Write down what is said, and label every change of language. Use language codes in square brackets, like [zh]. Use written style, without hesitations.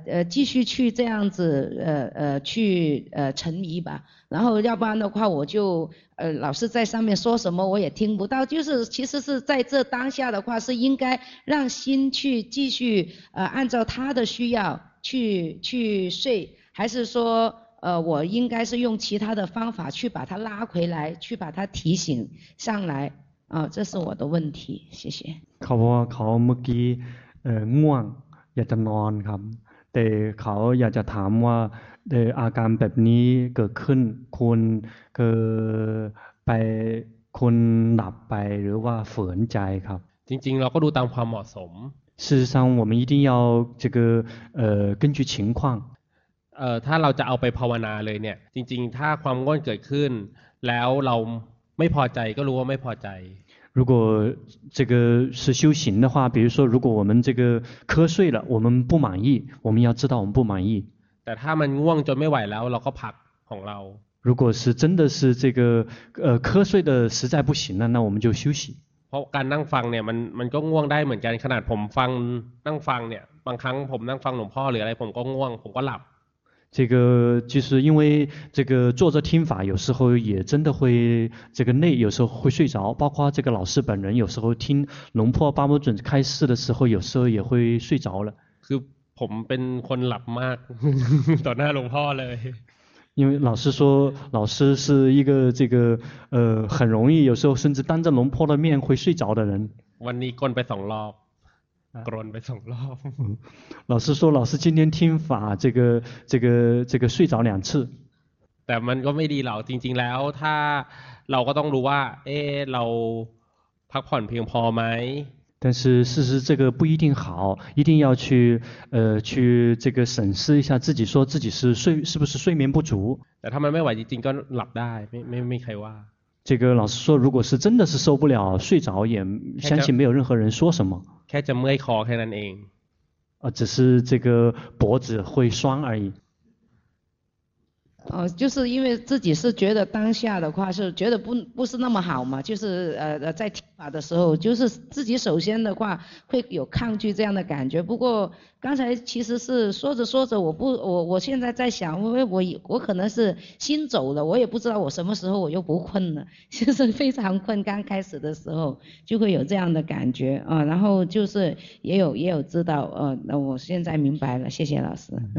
[zh] 继续去这样子去沉迷吧然后要不然的话我就老是在上面说什么我也听不到就是其实是在这当下的话是应该让心去继续按照他的需要去睡还是说我应该是用其他的方法去把他拉回来去把他提醒上来这是我的问题谢谢 [th] ขอบคุณมากง่วงอยากจะนอนครับแต่เขาอยากจะถามว่าอาการแบบนี้เกิดขึ้นคุณคือไปคุณหลับไปหรือว่าฝืนใจครับ จริงๆเราก็ดูตามความเหมาะสม [zh] 事实上我们一定要这个根据情况 [th] ถ้าเราจะเอาไปภาวนาเลยเนี่ยจริงๆถ้าความง่วงเกิดขึ้นแล้วเราไม่พอใจก็รู้ว่าไม่พอใจ [zh] 如果这个是修行的话比如说如果我们这个瞌睡了我们不满意我们要知道我们不满意 [th] แต่ถ้ามันง่วงจนไม่ไหวแล้วเราก็พักของเรา [zh] 如果是真的是这个瞌睡的实在不行了那我们就休息 [th] เพราะการนั่งฟังเนี่ยมันก็ง่วงได้เหมือนกันขนาดผมฟังนั่งฟังเนี่ยบางครั้งผมนั่งฟังหลวงพ่อหรืออะไรผมก็ง่วงผมก็หลับ [zh] 这个就是因为这个坐着听法有时候也真的会这个累有时候会睡着包括这个老师本人有时候听龙破八摩准开示的时候有时候也会睡着了 [th] คือผมเป็นคนหลับมากต่อหน้าหลวงพ่อเลย [zh] 因为老师说老师是一个这个很容易有时候甚至当着龙破的面会睡着的人 [th] วันนี้กลไปสองรอบกรนไปสองรอบ [zh] 老师说老师今天听法这个睡着两次 [th] แต่มันก็ไม่ดีหรอกจริงๆแล้วถ้าเราก็ต้องรู้ว่าเราพักผ่อนเพียงพอไหม [zh] 但是事实这个不一定好一定要去这个审视一下自己说自己是不是睡眠不足 [th] แต่ถ้ามันไม่ไหวจริงๆก็หลับได้ไม่ใครว่า [zh] 这个老师说如果是真的是受不了睡着也相信没有任何人说什么 [th] แค่จะเมื่อยคอแค่นั้นเอง [zh] อ๋อ只是这个脖子会酸而已就是因为自己是觉得当下的话是觉得不是那么好嘛就是在听法的时候就是自己首先的话会有抗拒这样的感觉不过刚才其实是说着说着我现在在想因为我可能是心走了我也不知道我什么时候我又不困了就是非常困刚开始的时候就会有这样的感觉然后就是也有知道那我现在明白了谢谢老师